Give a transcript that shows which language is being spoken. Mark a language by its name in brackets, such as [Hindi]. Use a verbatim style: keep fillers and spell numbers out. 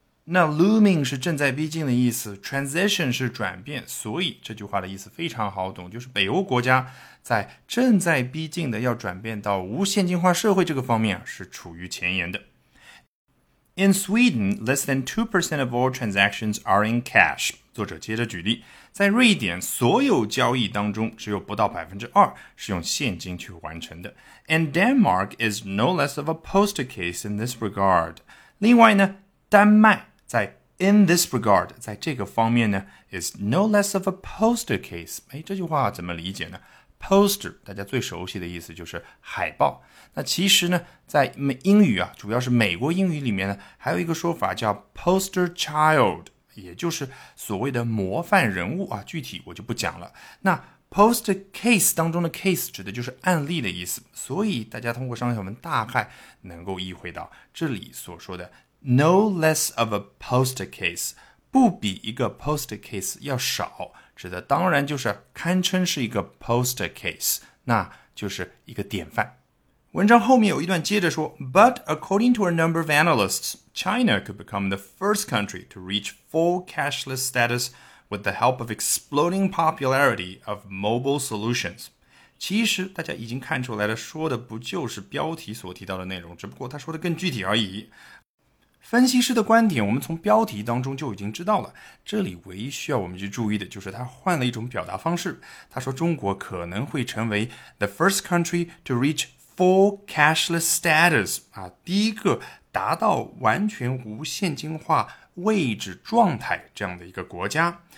[Chinese] 那 looming 是正在逼近的意思， transition 是转变，所以这句话的意思非常好懂，就是北欧国家在正在逼近的要转变到无现金化社会这个方面是处于前沿的。 [English] In Sweden, less than two percent of all transactions are in cash. [Chinese] 作者接着举例，在瑞典所有交易当中只有不到 百分之二 是用现金去完成的。 [English] And Denmark is no less of a poster case in this regard. [Chinese] 另外呢，丹麦在 [English] in this regard [Chinese] 在这个方面呢 [English] is no less of a poster case。 [Chinese] 诶，这句话怎么理解呢？poster 大家最熟悉的意思就是海报，那其实呢在英语啊，主要是美国英语里面呢，还有一个说法叫 poster child， 也就是所谓的模范人物啊，具体我就不讲了。那 poster case 当中的 case 指的就是案例的意思，所以大家通过上下文大概能够意会到这里所说的 [English] No less of a poster case， [Chinese] 不比一个 poster case 要少，指的当然就是堪称是一个 poster case， 那就是一个典范。文章后面有一段接着说 [English] But according to a number of analysts, China could become the first country to reach full cashless status with the help of exploding popularity of mobile solutions. [Chinese] 其实大家已经看出来了，说的不就是标题所提到的内容，只不过他说的更具体而已。分析师的观点我们从标题当中就已经知道了，这里唯一需要我们去注意的就是他换了一种表达方式。他说中国可能会成为 [English] the first country to reach full cashless status， [Chinese] 啊，第一个达到完全无现金化位置状态这样的一个国家。